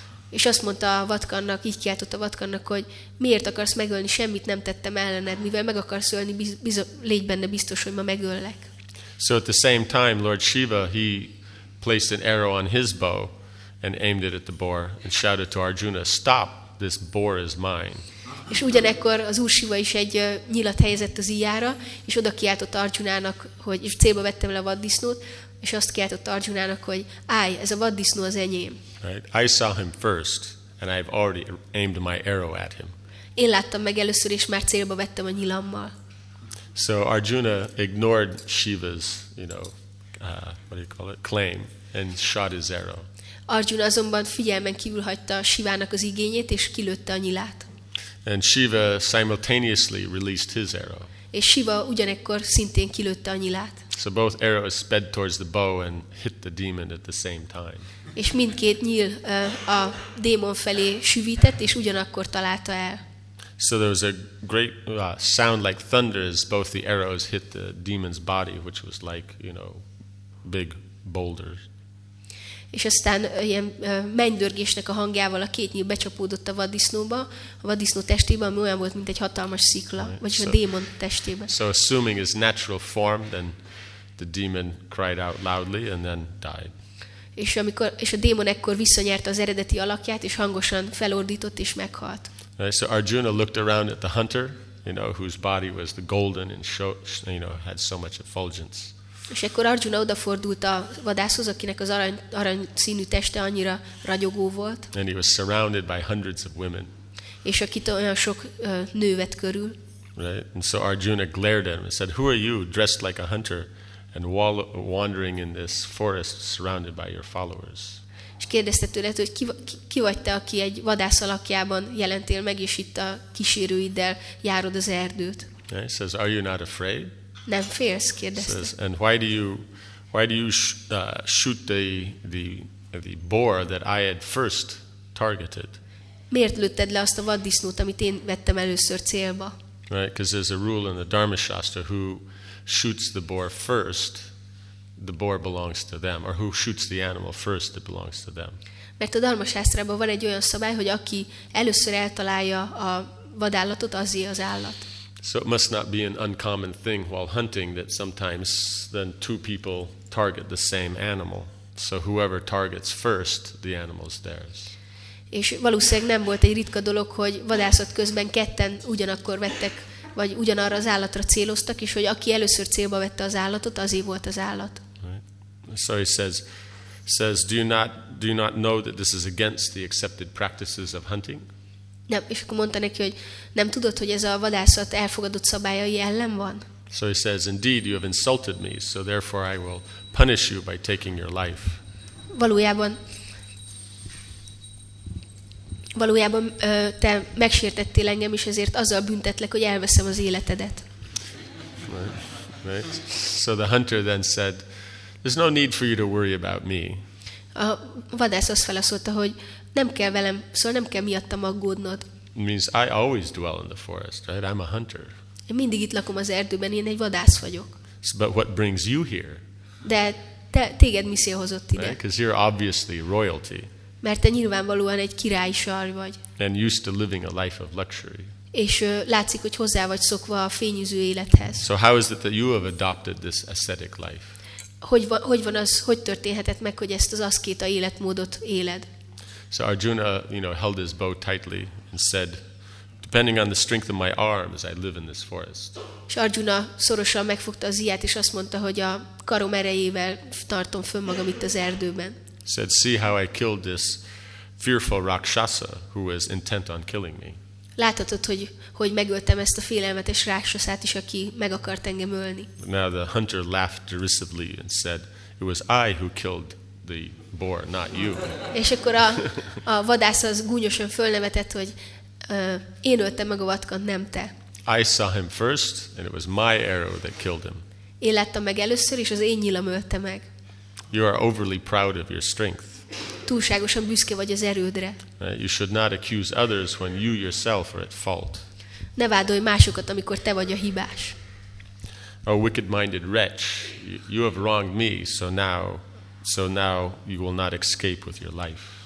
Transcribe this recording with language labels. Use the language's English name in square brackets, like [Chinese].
[Hungarian] És azt mondta a vatkannak, így kiáltott a vatkannak, hogy miért akarsz megölni, semmit nem tettem ellened, mivel meg akarsz ölni, légy benne biztos, hogy ma megöllek. [English] So at the same time, Lord Shiva, he placed an arrow on his bow and aimed it at the boar and shouted to Arjuna, stop, this boar is mine. [Hungarian] És ugyanekkor az Úr Shiva is egy nyilat helyezett az íjára, és oda kiáltott Arjunának, hogy és célba vettem le a vaddisznót, és azt kiáltott Arjunának, hogy állj, ez a vaddisznó az enyém. [English] Right. I saw him first, and I've already aimed my arrow at him. [Hungarian] Én láttam meg először, és már célba vettem a nyilammal. [English] So Arjuna ignored Shiva's, you know, what do you call it, claim, and shot his arrow. [Hungarian] Arjuna azonban figyelmen kívül hagyta Shivának az igényét, és kilőtte a nyilát. [English] And Shiva simultaneously released his arrow. [Hungarian] És Shiva ugyanekkor szintén kilőtte a nyilát. [English] So both arrows sped towards the bow and hit the demon at the same time. [Hungarian] És mindkét nyíl a démon felé süvített, és ugyanakkor találta el. [English] So there was a great sound like thunder as both the arrows hit the demon's body, which was like, you know, big boulders. [Hungarian] És aztán ilyen mennydörgésnek a hangjával a két nyíl becsapódott a vaddisznóba, a vaddisznó testébe, ami olyan volt, mint egy hatalmas szikla, right. Vagyis so, a démon testébe. [English] So assuming his natural form, then the demon cried out loudly and then died. [Hungarian] És amikor és a démon ekkor visszanyerte az eredeti alakját, és hangosan felordított és meghalt. [English] Right. So Arjuna looked around at the hunter, you know, whose body was the golden and had so much effulgence. [Hungarian] És akkor Arjuna odafordult a vadászhoz, akinek az arany színű teste annyira ragyogó volt. [English] And he was surrounded by hundreds of women. [Hungarian] És akit olyan sok nő vett körül. [English] Right. And so Arjuna glared at him and said, "Who are you, dressed like a hunter, and wandering in this forest surrounded by your followers. [Hungarian] És kérdezte tőled, hogy ki vagy te, aki egy vadász alakjában jelentél meg, és itt a kísérőiddel járod az erdőt. [English] Yeah, he says, are you not afraid? [Hungarian] Nem félsz, kérdezte. Says, [English] and why do you shoot the boar that I had first targeted? [Hungarian] Miért lőtted le azt a vaddisznót, amit én vettem először célba? [English] Right, because there's a rule in the Dharma Shastra, who shoots the boar first, the boar belongs to them, or who shoots the animal first, it belongs to them. [Hungarian] Mert a Dharma Shastrában van egy olyan szabály, hogy aki először eltalálja a vadállatot, azé az állat. [English] So it must not be an uncommon thing while hunting that sometimes then two people target the same animal. So whoever targets first, the animal is theirs. [Hungarian] És valószínűleg nem volt egy ritka dolog, hogy vadászat közben ketten ugyanakkor vettek, vagy ugyanarra az állatra céloztak, és hogy aki először célba vette az állatot, azé volt az állat. [English] Right. So he says, do you not know that this is against the accepted practices of hunting? [Hungarian] Nem, és akkor mondta neki, hogy nem tudod, hogy ez a vadászat elfogadott szabályai ellen van? [English] So he says, indeed, you have insulted me, so therefore I will punish you by taking your life. [Hungarian] Valójában te megsértettél engem, és ezért azzal büntetlek, hogy elveszem az életedet. [English] Right. Right. So the hunter then said, there's no need for you to worry about me. [Hungarian] A vadász azt felaszolta, hogy nem kell velem, szóval nem kell miattam aggódnod. [English] It means I always dwell in the forest, right? I'm a hunter. [Hungarian] Én mindig itt lakom az erdőben, én egy vadász vagyok. [English] So, but what brings you here? [Hungarian] De téged mi szél hozott ide? [English] Because you're obviously royalty. [Hungarian] Mert te nyilvánvalóan egy királyi sar vagy. [English] And used to living a life of luxury. [Hungarian] És látszik, hogy hozzá vagy szokva a fényűző élethez. [English] So how is it that you have adopted this ascetic life? [Hungarian] Hogy történhetett meg, hogy ezt az aszkéta életmódot éled? [English] So Arjuna, you know, held his bow tightly and said, depending on the strength of my arms, I live in this forest. [Hungarian] És Arjuna szorosan megfogta az íját, és azt mondta, hogy a karom erejével tartom fönn magam itt az erdőben. [English] Said, see how I killed this fearful rakshasa who was intent on killing me. [Hungarian] Láthatod, hogy megöltem ezt a félelmetes rakshasát is, aki meg akart engem ölni. [English] Now the hunter laughed derisively and said, it was I who killed the boar, not you. [Hungarian] És akkor a vadász az gúnyosan fölnevetett, hogy én öltem meg a vadkant, nem te. [English] I saw him first, and it was my arrow that killed him. [Hungarian] Én láttam meg először, és az én nyilam ölte meg. [English] You are overly proud of your strength. [Hungarian] Túlságosan büszke vagy az erődre. [English] You should not accuse others when you yourself are at fault. [Hungarian] Ne vádolj másokat, amikor te vagy a hibás. [English] Oh, wicked-minded wretch, you have wronged me, so now you will not escape with your life.